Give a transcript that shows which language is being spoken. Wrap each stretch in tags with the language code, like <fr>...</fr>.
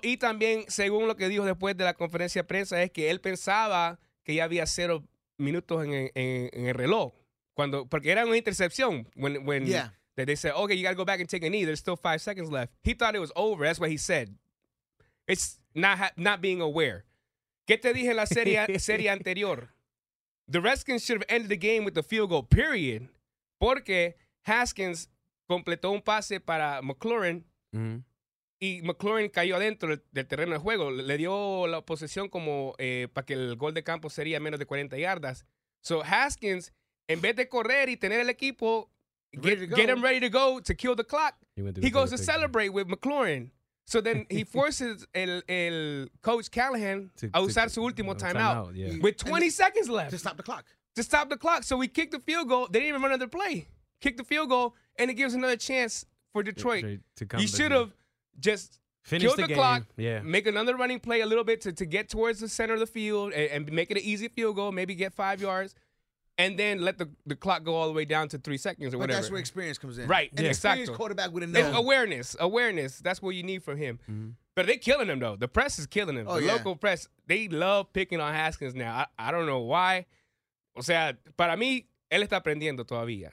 <es>Y también, según lo que dijo después de la conferencia de prensa, es que él pensaba que ya había 0 minutos en el reloj. Porque era una intercepción.</es> <en>They said, okay, you got to go back and take a knee. There's still 5 seconds left. He thought it was over. That's what he said. It's not being aware.</en> <es>¿Qué te dije en la serie anterior?</es> <en>The Redskins should have ended the game with a field goal, period.</en> <es>Porque Haskins completó un pase para McLaurin. Mm-hmm. Y McLaurin cayó adentro del terreno de juego. Le dio la posesión como para que el gol de campo sería menos de 40 yardas.</es> <en>So Haskins,</en> <es>en vez de correr y tener el equipo,</es> <en>get him ready to go to kill the clock. He goes to celebrate with McLaurin. So then he forces</en> <es>el coach Callahan a usar su último timeout</es> <en>with 20 seconds left. To stop the clock. So we kick the field goal. They didn't even run another play. Kick the field goal, and it gives another chance for Detroit. To come. You should have just killed the clock, make another running play a little bit to get towards the center of the field and make it an easy field goal, maybe get 5 yards. And then let the clock go all the way down to 3 seconds or whatever. But that's where experience comes in. Right, exactly. An experienced quarterback with a nose. Awareness. That's what you need from him. Mm-hmm. But they're killing him, though. The press is killing him. Local press, they love picking on Haskins now. I don't know why.</en> <es>O sea, para mí, él está aprendiendo todavía.</es>